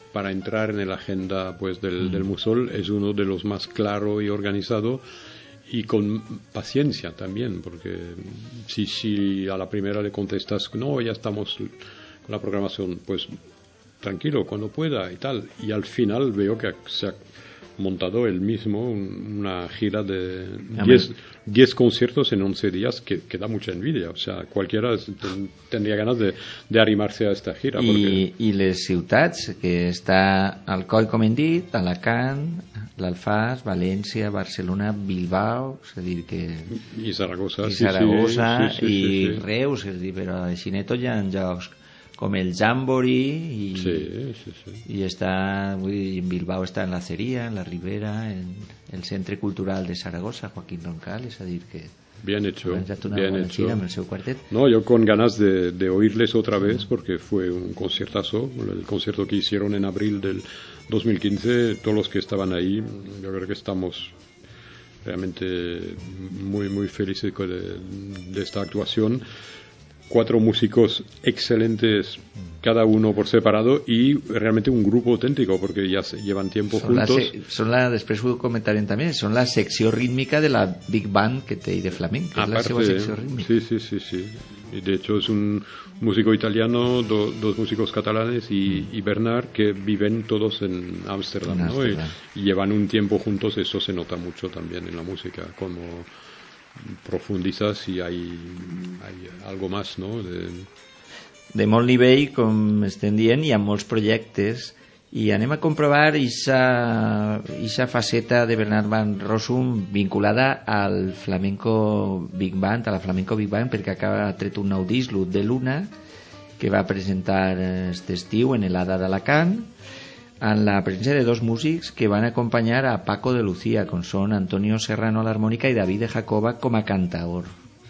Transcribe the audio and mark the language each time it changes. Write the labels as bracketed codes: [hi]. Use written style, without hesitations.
[es] entrar en la agenda pues del Musol, es uno de los más claro y organizado y con paciencia también, porque si a la primera le contestas no, ya estamos con la programación, pues tranquilo, cuando pueda y tal, y al final veo que se ha montado él mismo una gira de 10 conciertos en 11 días que da mucha envidia. O sea, cualquiera tendría ganas de arrimarse a esta gira. [ca] Y les ciutats, que está al coll, com hem dit, Alacant, l'Alfàs, València, Barcelona, Bilbao, és a dir que... I Saragossa. I Saragossa, sí. Reus, és a dir, però a Xineto ja en jocs. Com el Jamboree i està, vull dir, en Bilbao està en la Ceria, en la Ribera, en el Centre Cultural de Saragossa, Joaquín Roncal, és a dir que... [es] Bien hecho, [ca] amb el seu quartet. [es] No, yo con ganas de oírles otra vez, porque fue un conciertazo, el concierto que hicieron en abril del 2015, todos los que estaban ahí, yo creo que estamos realmente muy, muy felices de esta actuación. 4 músicos excelentes, cada uno por separado, y realmente un grupo auténtico, porque ya llevan tiempo son juntos. Después lo comentaré también, son la sección rítmica de la Big Band que te de flamenco. Aparte, es la sección rítmica. Sí. Y de hecho, es un músico italiano, dos músicos catalanes y Bernard, que viven todos en Ámsterdam, ¿no? Y llevan un tiempo juntos, eso se nota mucho también en la música, como profundizas y hay algo más, ¿no? [ca] De molt nivell, com estem dient, hi ha molts projectes i anem a comprovar ixa faceta de Bernard Van Rossum vinculada al flamenco Big Band, a la flamenco Big Band, perquè acaba tret un nou disc, Luz de Luna, que va presentar aquest estiu en el Hada d'Alacant, en la presència de 2 músics que van acompanyar a Paco de Lucía, com són Antonio Serrano a l'harmònica i David de Jacoba com a cantaor.